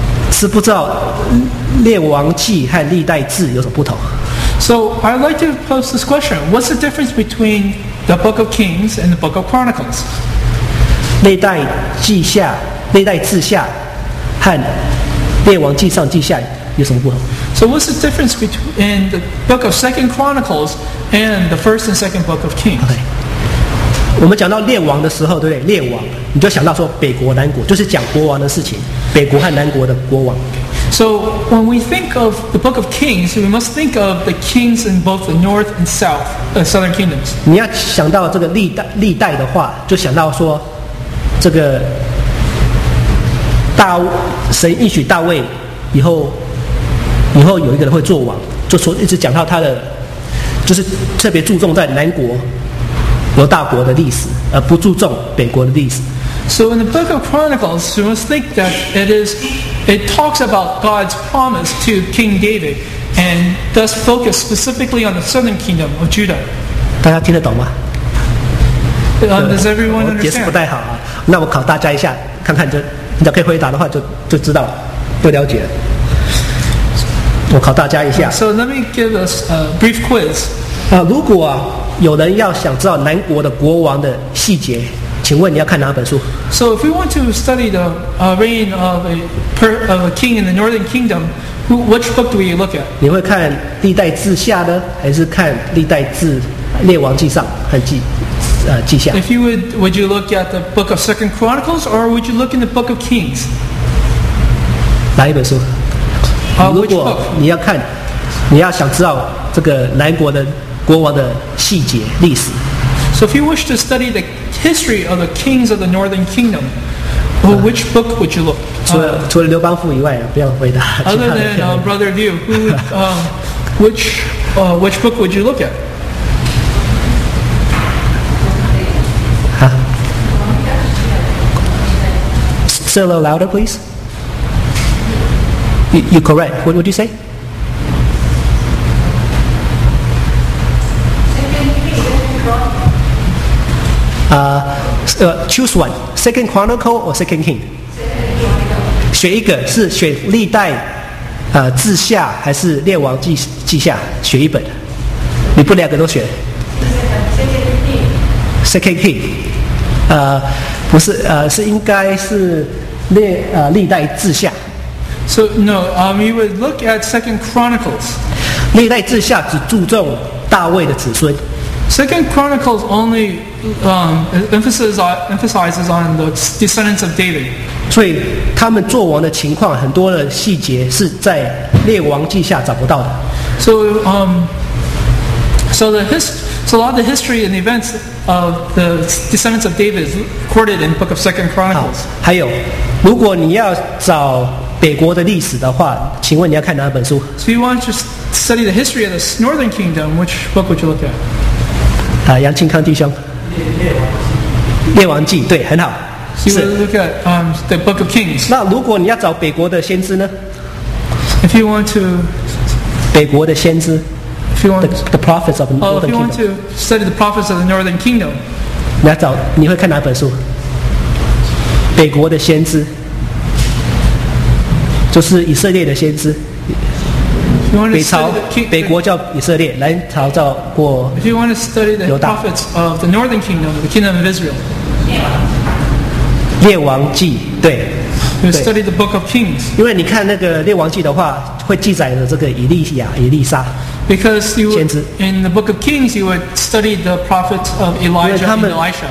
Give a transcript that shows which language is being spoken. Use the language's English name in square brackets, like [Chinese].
[Chinese] 是不知道列王记和历代志有什么不同。 [English] So I'd like to pose this question: What's the difference between the Book of Kings and the Book of Chronicles? [Chinese] 历代记下、历代志下和列王记上记下有什么不同 [English] ？So what's the difference between the Book of Second Chronicles and the First and Second Book of Kings? Okay. [Chinese] 我们讲到列王的时候，对不对？列王，你就想到说北国、南国，就是讲国王的事情，北国和南国的国王。 [English] So when we think of the Book of Kings, we must think of the kings in both the north and south, southern kingdoms. [Chinese] 你要想到这个历代的话，就想到说这个大神应许大卫以后有一个人会做王，就说一直讲到他的，就是特别注重在南国。犹大国的历史，而不注重北国的历史。 [English] So in the Book of Chronicles, you must think that it talks about God's promise to King David, and thus focus specifically on the southern kingdom of Judah. [Chinese] 大家听得懂吗？ [English] Does everyone understand? [Chinese] 解释不太好啊。那我考大家一下，看看你可以回答的话就知道了，不了解了。我考大家一下。 [English] So let me give us a brief quiz. [Chinese] 如果啊。有人要想知道南国的国王的细节，请问你要看哪本书 [English] ？So if we want to study the reign of a king in the northern kingdom, which book do we look at？ [Chinese] 你会看历代志下呢，还是看历代志列王记上和记下 [English] ？If you would you look at the book of Second Chronicles or would you look in the book of Kings？ [Chinese] 哪一本书？如果你要看，你要想知道这个南国的。国王的细节历史。 [English] So if you wish to study the history of the kings of the northern kingdom, well, which book would you look? [Chinese] 除了刘邦父以外，不要回答。 [English] Other than Brother Liu, which book would you look at? 哈。 Say a little louder, please. You're correct. What would you say? choose one. Second Chronicle or Second King? [Chinese] 选一个，是选历代志下还是列王记下？选一本。你不两个都选 [English] ？Second King. [Chinese] 不是是应该是历代志下。 [English] So no, you would look at Second Chronicles. [Chinese] 历代志下只注重大卫的子孙。 [English] Second Chronicles only emphasizes on the descendants of David. [Chinese] 所以他们作王的情况，很多的细节是在列王记下找不到的。 [English] So a lot of the history and the events of the descendants of David is recorded in the book of Second Chronicles. [Chinese] 好，还有，如果你要找北国的历史的话，请问你要看哪本书 [English] ？So you want to just study the history of the Northern Kingdom? Which book would you look at? [Chinese] 啊，杨庆康弟兄。列王记，对，很好。 [English] So you look at the Book of Kings. [Chinese] 那如果你要找北国的先知呢 [English] ？If you want to [Chinese] 北国的先知。 [English] The prophets of the Northern Kingdom. If you want to study the prophets of the Northern Kingdom, [Chinese] 你要找你会看哪本书？北国的先知，就是以色列的先知。北朝北国叫以色列，南朝叫过犹大。 [English] If you want to study the prophets of the Northern Kingdom, the Kingdom of Israel, [Chinese] 列王记对。 [English] You study the Book of Kings. [Chinese] 因为你看那个列王记的话，会记载了这个以利亚、以利沙。 [English] Because you would, in the Book of Kings, you would study the prophets of Elijah and Elisha.